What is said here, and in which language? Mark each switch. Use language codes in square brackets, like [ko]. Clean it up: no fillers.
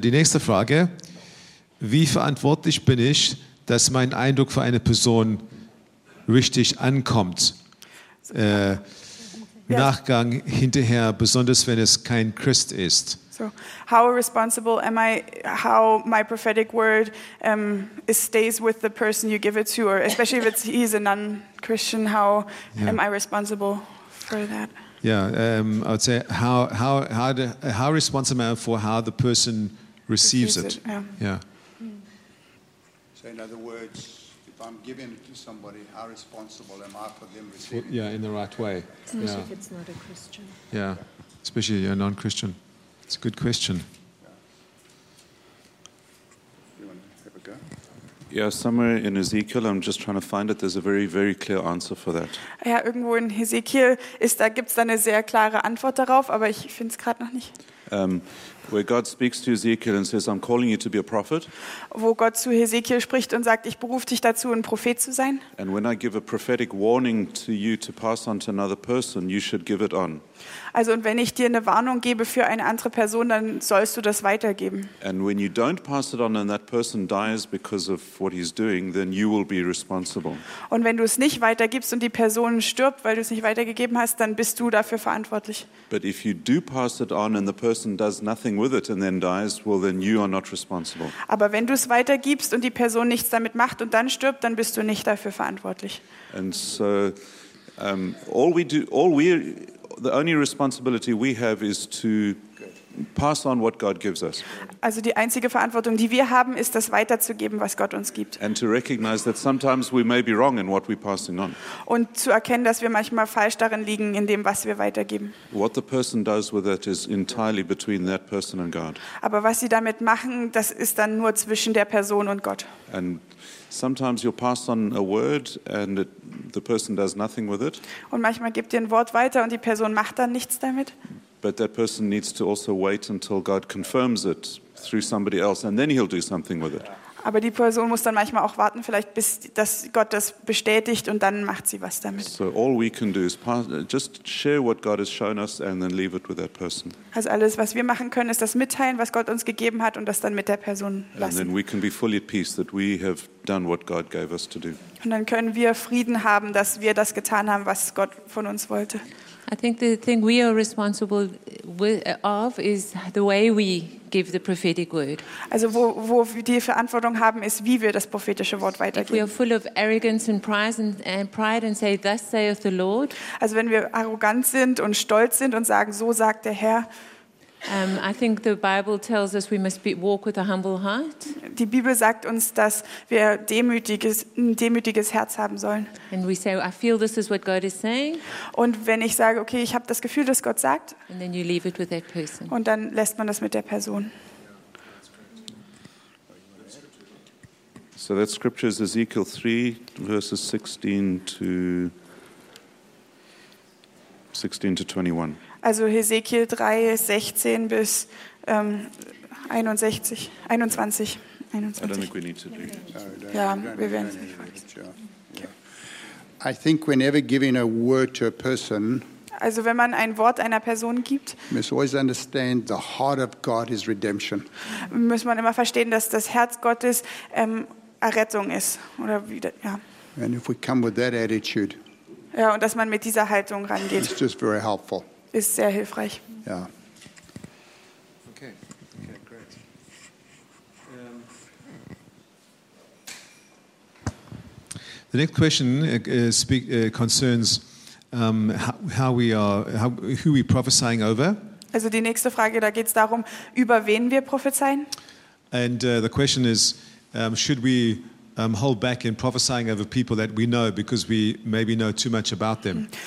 [de] Die nächste Frage: Wie verantwortlich bin ich, dass mein Eindruck für eine Person richtig ankommt? Nachgang hinterher, besonders wenn es kein Christ ist. [en] So, how responsible am I? How my prophetic word stays with the person you give it to, or especially if he's a non-Christian, how am I responsible for that? Yeah, I would say how responsible am I for how the person receives it? So in other words, if I'm giving it to somebody, how responsible am I for them receiving it? Yeah, in the right way. Especially if it's not a Christian. Yeah, especially a non-Christian. It's a good question. Yeah, somewhere in Ezekiel, I'm just trying to find it. There's a very, very clear answer for that. [de] Ja, irgendwo in Ezekiel gibt's da eine sehr klare Antwort darauf, aber ich find's gerade noch nicht. [en] Where God speaks to Ezekiel and says, "I'm calling you to be a prophet." [de] Wo Gott zu Ezekiel spricht und sagt, ich berufe dich dazu, ein Prophet zu sein. [en] And when I give a prophetic warning to you to pass on to another person, you should give it on. [de] Also und wenn ich dir eine Warnung gebe für eine andere Person, dann sollst du das weitergeben. [en] And when you don't pass it on and that person dies because of what he's doing, then you will be responsible. [de] Und wenn du es nicht weitergibst und die Person stirbt, weil du es nicht weitergegeben hast, dann bist du dafür verantwortlich. [en] But if you do pass it on and the person does nothing with it and then dies, well then you are not responsible. [de] Aber wenn du es weitergibst und die Person nichts damit macht und dann stirbt, dann bist du nicht dafür verantwortlich. [en] And so the only responsibility we have is to pass on what God gives us. [de] Also die einzige Verantwortung, die wir haben, ist das weiterzugeben, was Gott uns gibt. [en] And to recognize that sometimes we may be wrong in what we're passing on. [de] Und zu erkennen, dass wir manchmal falsch darin liegen, in dem, was wir weitergeben. [en] What the person does with it is entirely between that person and God. [de] Aber was sie damit machen, das ist dann nur zwischen der Person und Gott. [en] And sometimes you'll pass on a word and the person does nothing with it. [de] Und manchmal gibt ihr ein Wort weiter und die Person macht dann nichts damit. [en] But that person needs to also wait until God confirms it through somebody else and then he'll do something with it. [de] Aber die Person muss dann manchmal auch warten, vielleicht bis dass Gott das bestätigt und dann macht sie was damit. [en] So all we can do is just share what God has shown us and then leave it with that person. [de] Also alles, was wir machen können, ist das mitteilen, was Gott uns gegeben hat und das dann mit der Person lassen. [en] And then we can be fully at peace that we have done what God gave us to do. [de] Und dann können wir Frieden haben, dass wir das getan haben, was Gott von uns wollte. [en] I think the thing we are responsible of is the way we give the prophetic word. [de] Also wo wir die Verantwortung haben, ist, wie wir das prophetische Wort weitergeben. [en] If we are full of arrogance and pride and say, thus saith the Lord. [de] Also wenn wir arrogant sind und stolz sind und sagen, so sagt der Herr. [en] I think the Bible tells us we must walk with a humble heart. [de] Die Bibel sagt uns, dass wir ein demütiges Herz haben sollen. [en] And we say, I feel this is what God is saying. [de] Und wenn ich sage, okay, ich habe das Gefühl, dass Gott sagt. [en] And then you leave it with that person. [de] Und dann lässt man das mit der Person. [en] So that scripture is Ezekiel 3, verses 16 to 21. [de] Also Hesekiel 3, 16 bis 21. [en] I don't think we need to do [de] that. Ja, wir werden es nicht. [en] I think whenever giving a word to a person, [de] also wenn man ein Wort einer Person gibt, [en] must always understand the heart of God is redemption. [de] Muss man immer verstehen, dass das Herz Gottes Errettung ist. Oder wieder, ja. [en] And if we come with that attitude, [de] ja, und dass man mit dieser Haltung rangeht, [en] it's just very helpful. [de] Ist sehr hilfreich. Ja. [en] Okay, great. The next question concerns who we prophesying over. [de] Also die nächste Frage, da geht's darum, über wen wir prophezeien. [en] And the question is, should we hold back in prophesying over people that we know because we maybe know too much about them.